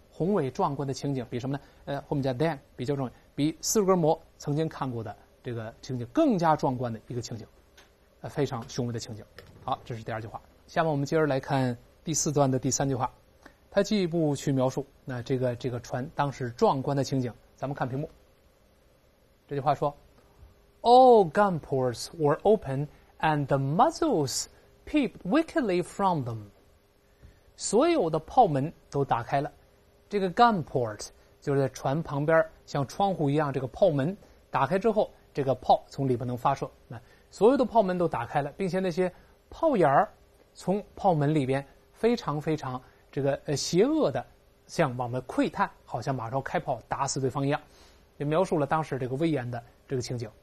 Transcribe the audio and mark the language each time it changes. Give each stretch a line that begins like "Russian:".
Chinese: 宏伟壮观的情景，比什么呢？后面加 than 比较重要，比四格摩曾经看过的这个情景更加壮观的一个情景，非常雄伟的情景。好，这是第二句话。下面我们接着来看第四段的第三句话，它进一步去描述那这个船当时壮观的情景。咱们看屏幕，这句话说
English: ：All gun ports were open and the muzzles peeped wickedly from them。
Chinese: 所有的炮门都打开了。这个 gun port 就是在船旁边像窗户一样，这个炮门打开之后，这个炮从里边能发射，那所有的炮门都打开了，并且那些炮眼儿从炮门里边非常这个邪恶的像往外窥探，好像马上开炮打死对方一样，也描述了当时这个威严的这个情景。